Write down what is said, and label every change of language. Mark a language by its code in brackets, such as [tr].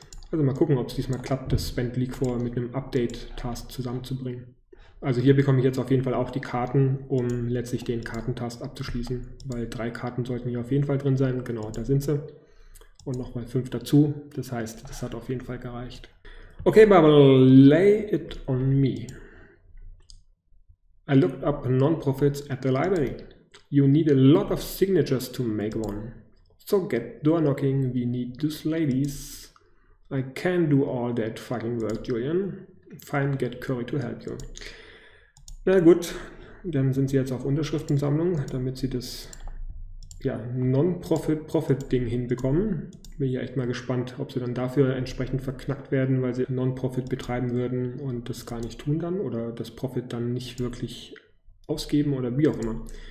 [de] Also mal gucken, ob es diesmal klappt, das Spend Liquor mit einem Update-Task zusammenzubringen. Also hier bekomme ich jetzt auf jeden Fall auch die Karten, um letztlich den Kartentask abzuschließen, weil 3 Karten sollten hier auf jeden Fall drin sein. Genau, da sind sie. Und nochmal 5 dazu. Das heißt, das hat auf jeden Fall gereicht. [en] Okay, Bubble, lay it on me. I looked up non-profits at the library. You need a lot of signatures to make one. So get door knocking, we need those ladies. I can do all that fucking work, Julian. Fine, get Curry to help you. [de] Na gut, dann sind sie jetzt auf Unterschriftensammlung, damit sie das ja, Non-Profit-Profit-Ding hinbekommen. Bin ja echt mal gespannt, ob sie dann dafür entsprechend verknackt werden, weil sie Non-Profit betreiben würden und das gar nicht tun dann oder das Profit dann nicht wirklich ausgeben oder wie auch immer.